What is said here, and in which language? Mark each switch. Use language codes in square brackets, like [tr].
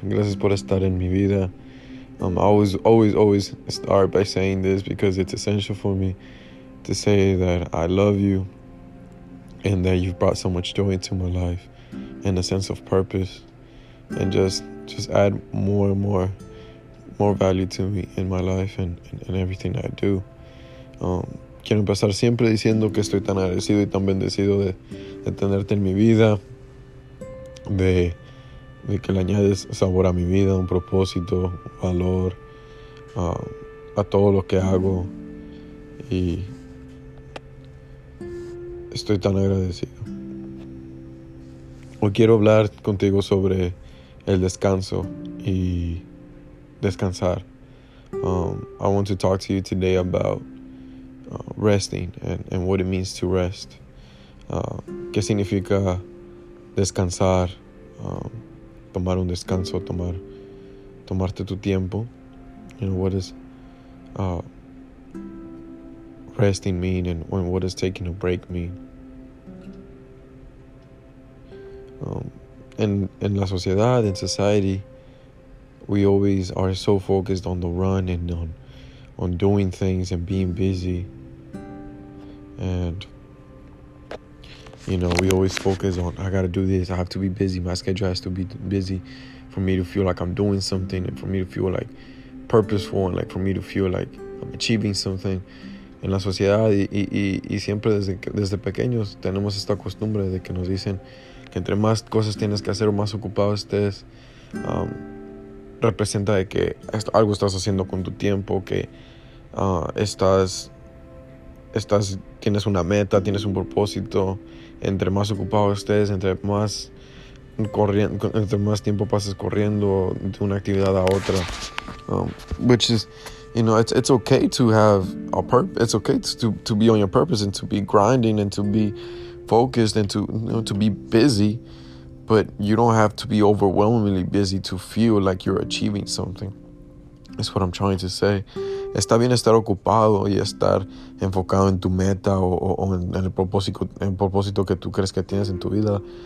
[es] Gracias por estar en mi vida. [en] I always start by saying this because it's essential for me to say that I love you and that you've brought so much joy into my life and a sense of purpose and just add more and more value to me in my life and everything I do. [es] Quiero empezar siempre diciendo que estoy tan agradecido y tan bendecido de tenerte en mi vida, de que le añades sabor a mi vida, un propósito, valor, a todo lo que hago. Y estoy tan agradecido. Hoy quiero hablar contigo sobre el descanso y descansar. [en] I want to talk to you today about resting and what it means to rest. [es] ¿Qué significa descansar? Tomar un descanso, tomarte tu tiempo. [en] What does resting mean, and what does taking a break mean? [es] En la sociedad, [en] in society, we always are so focused on the run and on doing things and being busy. And, we always focus on, I gotta do this, I have to be busy, my schedule has to be busy for me to feel like I'm doing something and for me to feel like purposeful and like for me to feel like I'm achieving something. [es] En la sociedad y siempre desde pequeños tenemos esta costumbre de que nos dicen que entre más cosas tienes que hacer o más ocupado estés, representa de que algo estás haciendo con tu tiempo, que estás tienes una meta, tienes un propósito. Entre más ocupado estés, entre más tiempo pases corriendo de una actividad a otra, [en] which is, it's okay to have a purpose. It's okay to be on your purpose and to be grinding and to be focused and to be busy, but you don't have to be overwhelmingly busy to feel like you're achieving something. That's what I'm trying to say. [es] Está bien estar ocupado y estar enfocado en tu meta o en el propósito que tú crees que tienes en tu vida.